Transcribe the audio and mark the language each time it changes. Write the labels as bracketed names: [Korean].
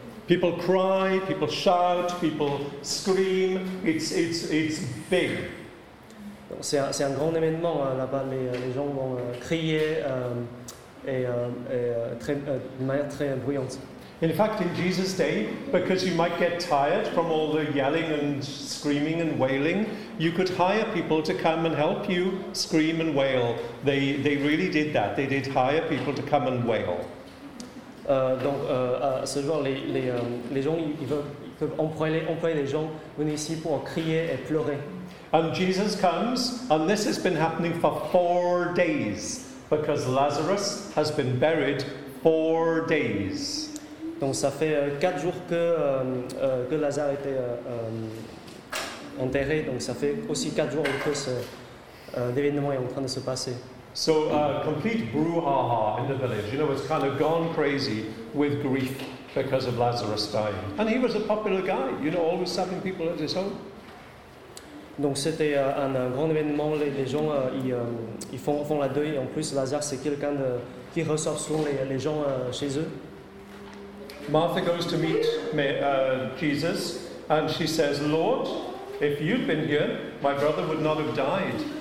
[English] People cry, people shout, people scream. It's big. [French] Donc c'est un grand événement là-bas. Les gens vont crier de manière très bruyante. [English] In fact, in Jesus' day, because you might get tired from all the yelling and screaming and wailing, you could hire people to come and help you scream and wail. They really did that. They did hire people to come and wail. [French] Donc, à ce jour, les gens ils peuvent employer les gens venir ici pour crier et pleurer. [English] And Jesus comes, and this has been happening for 4 days because Lazarus has been buried 4 days. [French] Donc ça fait 4 jours que Lazare était enterré, donc ça fait aussi 4 jours que l'événement est en train de se passer. [English] So a complete brouhaha in the village, you know, it's kind of gone crazy with grief because of Lazarus dying. And he was a popular guy, you know, always having people at his home. [French] Donc c'était un grand événement, les gens ils font la deuil, en plus Lazare c'est quelqu'un qui reçoit souvent les gens chez eux. [English] Martha goes to meet Jesus, and she says, Lord, if you'd been here, my brother would not have died.